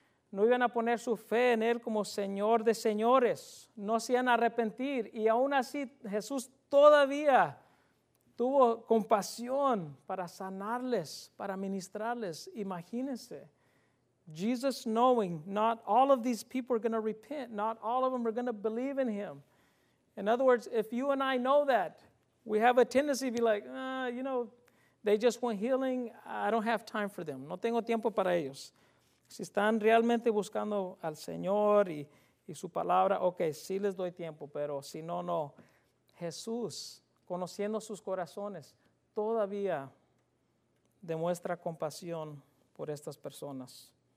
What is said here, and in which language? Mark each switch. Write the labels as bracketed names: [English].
[Spanish] No iban a poner su fe en él como Señor de señores. No se iban a arrepentir. Y aún así, Jesús todavía tuvo compasión para sanarles, para ministrarles. Imagínense. [English] Jesus knowing not all of these people are going to repent. Not all of them are going to believe in him. In other words, if you and I know that, we have a tendency to be like, they just want healing. I don't have time for them. [Spanish] No tengo tiempo para ellos. Si están realmente buscando al Señor y su palabra, ok, sí les doy tiempo, pero si no, no. Jesús, conociendo sus corazones, todavía demuestra compasión por estas personas.